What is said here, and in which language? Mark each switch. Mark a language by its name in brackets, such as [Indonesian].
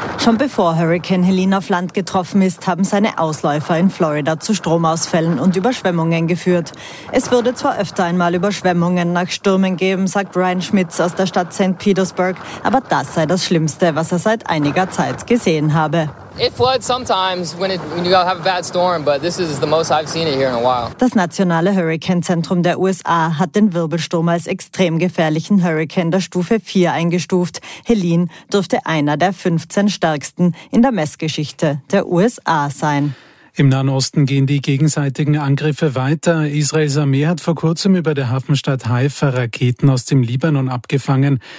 [German] Schon bevor Hurricane Helene auf Land getroffen ist, haben seine Ausläufer in Florida zu Stromausfällen und Überschwemmungen geführt. Es würde zwar öfter einmal Überschwemmungen nach Stürmen geben, sagt Ryan Schmitz aus der Stadt St. Petersburg, aber das sei das Schlimmste, was er seit einiger Zeit gesehen habe. [English] It floods sometimes when you have a bad storm, but this is the most I've seen it here in a while. [German] Das nationale Hurrikanzentrum der USA hat den Wirbelsturm als extrem gefährlichen Hurrikan der Stufe 4 eingestuft. Helene dürfte einer der 15 stärksten in der Messgeschichte der USA sein. Im Nahen Osten gehen die gegenseitigen Angriffe weiter. Israels Armee hat vor kurzem über der Hafenstadt Haifa Raketen aus dem Libanon abgefangen.